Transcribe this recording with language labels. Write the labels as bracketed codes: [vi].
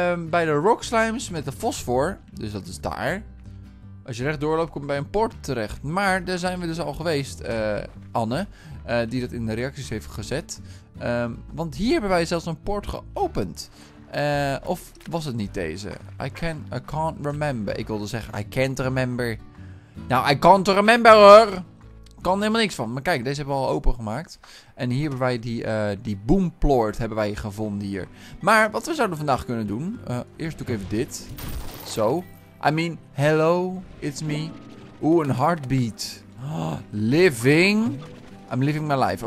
[nl] Bij de rock slimes met de fosfor. Dus dat is daar. Als je rechtdoor loopt, kom je bij een poort terecht. Maar daar zijn we dus al geweest, Anne. Die dat in de reacties heeft gezet. Want hier hebben wij zelfs een poort geopend. Of was het niet deze? [en] I can't remember. [nl] Ik wilde zeggen, [en] I can't remember. Nou, I can't remember hoor. [nl] Kan helemaal niks van. Maar kijk, deze hebben we al opengemaakt. En hier hebben wij die boomploort hebben wij gevonden hier. Maar wat we zouden vandaag kunnen doen. Eerst doe ik even dit. Zo. [en] I mean, hello, it's me. Oeh, een heartbeat. Living. I'm living my life.